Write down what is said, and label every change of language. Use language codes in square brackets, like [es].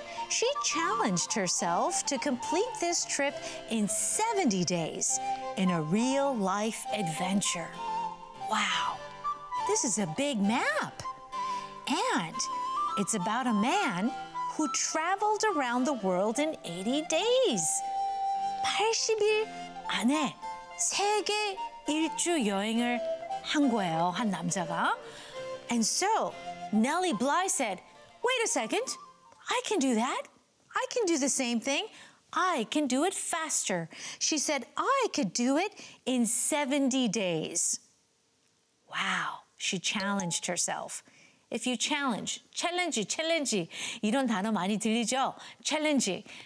[en] She challenged herself to complete this trip in 70 days in a real-life adventure. Wow, this is a big map. And it's about a man who traveled around the world in 80 days. [ko] 80일 안에 세계 일주 여행을 한 거예요, 한 남자가. [en] And so, Nellie Bly said, wait a second, I can do that. I can do the same thing. I can do it faster. She said, I could do it in 70 days. Wow, she challenged herself. If you challenge, challenge, challenge, [ko] 이런 단어 많이 들리죠? [en] Challenge.